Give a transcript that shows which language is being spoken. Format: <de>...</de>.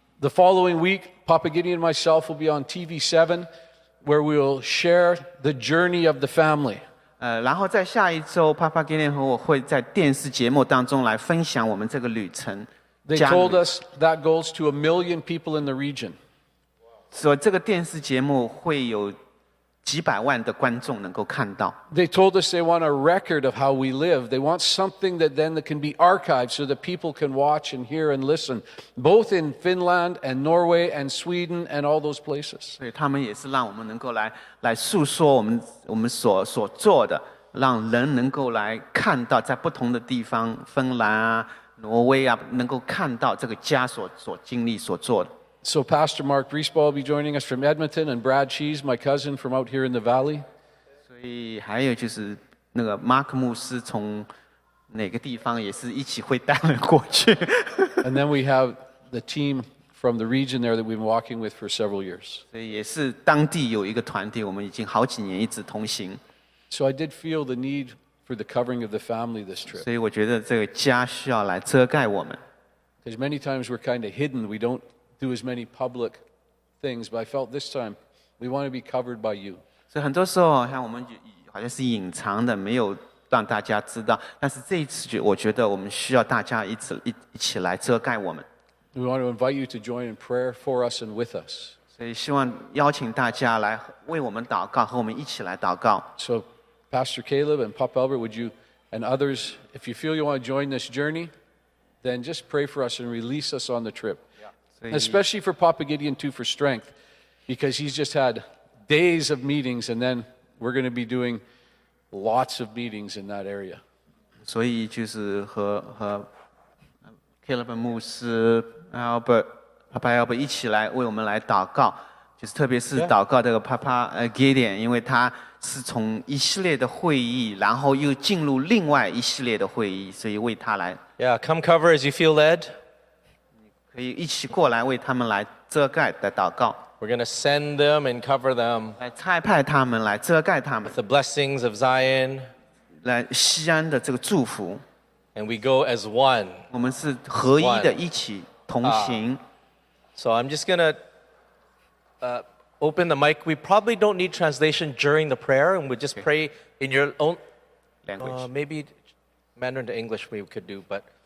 <en>The following week, Papa Gideon and myself will be on TV7, where we'll share the journey of the family.</en> <zh>然后在下一周, Papa Gideon 和我会在电视节目当中来分享我们这个旅程。</zh> <en>They told us that goes to 1 million people in the region.</en> <zh>所以这个电视节目会有几百万的观众能够看到。</zh> <en>They told us they want a record of how we live. They want something that then can be archived so that people can watch and hear and listen, both in Finland and Norway and Sweden and all those places.</en> <zh>对，他们也是让我们能够来诉说我们所做的，让人能够来看到在不同的地方，芬兰啊，挪威啊，能够看到这个家所经历所做的。</zh> <en>So Pastor Mark Griesbaugh will be joining us from Edmonton, and Brad Cheese, my cousin from out here in the valley.</en> <zh>所以还有就是那个 Mark 牧师从哪个地方也是一起会带人过去。</zh> <en>And then we have the team from the region there that we've been walking with for several years.</en> <zh>所以也是当地有一个团队，我们已经好几年一直同行。</zh> <en>So I did feel the need for the covering of the family this trip.</en> <zh>所以我觉得这个家需要来遮盖我们。</zh> <en>Because many times we're kind of hidden, we don't. Do as many public things, but I felt this time we want to be covered by you.</en> <zh>So, 很多时候像我们好像是隐藏的，没有让大家知道。但是这一次，我觉得我们需要大家一起来遮盖我们。</zh> <en>We want to invite you to join in prayer for us and with us.</en> <zh>所以希望邀请大家来为我们祷告，和我们一起来祷告。</zh> <en>So, Pastor Caleb and Pop Albert, would you and others, if you feel you want to join this journey, then just pray for us and release us on the trip. Especially for Papa Gideon too, for strength, because he's just had days of meetings, and then we're going to be doing lots of meetings in that area.</en> <zh>So, 就是和 Caleb 牧师 Albert Papa Albert 一起来为我们来祷告，就是特别是祷告这个 Papa Gideon， 因为他是从一系列的会议，然后又进入另外一系列的会议，所以为他来。</zh> <en>Yeah, come cover as you feel led.</en> <zh>一起过来为他们来遮盖的祷告。</zh> <en>We're going to send them and cover them.</en> <zh>来差派他们来遮盖他们。</zh> <en>With the blessings of Zion.</en> <zh>来西安的这个祝福。</zh> <en>And we go as one.</en> <zh>我们是合一的一起同行。</zh> <en>So I'm just going to open the mic. We probably don't need translation during the prayer. And we'll just pray in your own language. Maybe Mandarin to English we could do, but...</en>